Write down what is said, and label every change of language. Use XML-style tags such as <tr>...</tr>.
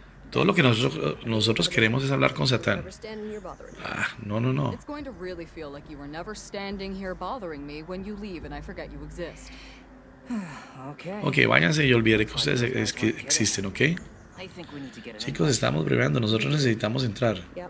<es>Todo lo que nosotros queremos es hablar con Satán. Ah, no.</es> <en>It's going to really feel like you were never standing here bothering me when you leave and I forget you exist.</en> <es>Okay, váyanse y olvidaré que ustedes existen, ¿ok? Chicos, estamos bregando, nosotros necesitamos entrar.</es>